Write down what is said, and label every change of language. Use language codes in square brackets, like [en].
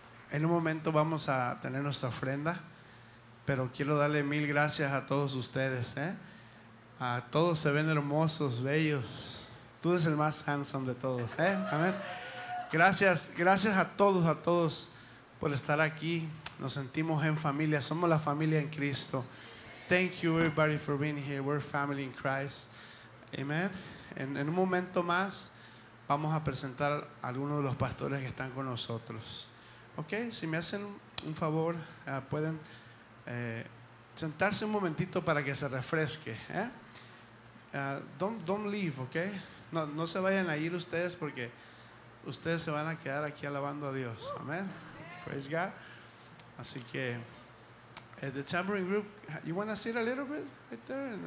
[es] En un momento vamos a tener nuestra ofrenda, pero quiero darle mil gracias a todos ustedes. Todos se ven hermosos, bellos. Tú eres el más handsome de todos. Amén. Gracias, gracias a todos por estar aquí. Nos sentimos en familia, somos la familia en Cristo. [en] Thank you everybody for being here, we're family in Christ. Amen. [es] En un momento más vamos a presentar a algunos de los pastores que están con nosotros. Ok, si me hacen un favor, pueden sentarse un momentito para que se refresque. [en] Don't leave, [es] ok. No se vayan a ir ustedes, porque ustedes se van a quedar aquí alabando a Dios. [en] Amen. Praise God. [es] Así que, [en] the tambourine group, you want to sit a little bit right there?